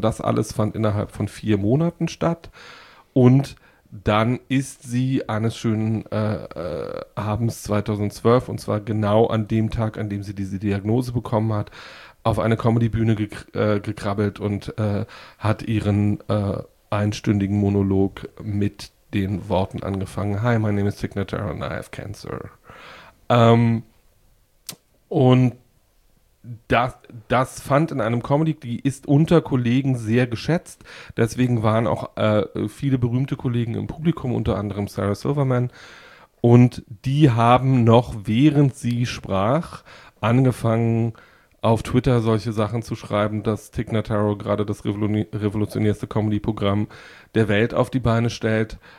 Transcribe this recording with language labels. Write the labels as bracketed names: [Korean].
[German] Das alles fand innerhalb von 4 Monaten statt und dann ist sie eines schönen Abends 2012, und zwar genau an dem Tag, an dem sie diese Diagnose bekommen hat, auf eine Comedy-Bühne gekrabbelt und hat ihren einstündigen Monolog mit den Worten angefangen. [English] Hi, my name is Tig Notaro and I have cancer. [German] Und das fand in einem Comedy, die ist unter Kollegen sehr geschätzt. Deswegen waren auch viele berühmte Kollegen im Publikum, unter anderem Sarah Silverman. Und die haben noch, während sie sprach, angefangen, auf Twitter solche Sachen zu schreiben, dass Tig Notaro gerade das revolutionärste Comedy-Programm der Welt auf die Beine stellt.